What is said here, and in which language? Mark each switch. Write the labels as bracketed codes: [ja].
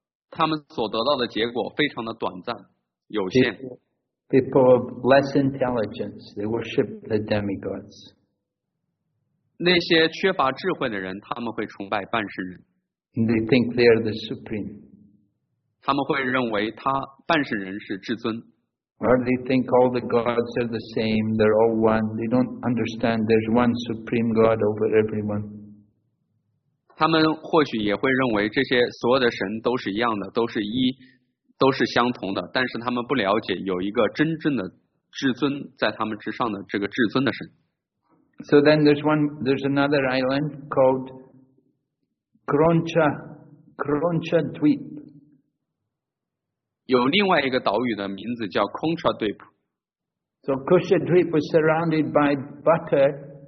[zh] 他们所得到的结果非常的短暂，有限。 [en] People of less intelligence, they worship the demigods. [zh] 那些缺乏智慧的人，他们会崇拜半神人。 [en] They think they are the supreme. [zh] 他们会认为他半神人是至尊。 [en] Or they think all the gods are the same, they're all one. They don't understand there's one supreme god over everyone. [zh] 他们或许也会认为这些所有的神都是一样的，都是一。都是相同的，但是他们不了解有一个真正的至尊在他们之上的这个至尊的神。 [en] So then there's another island called Kroncha Dweep. [zh] 有另外一个岛屿的名字叫 Kroncha Dweep. [en] So Kroncha Dweep was surrounded by butter.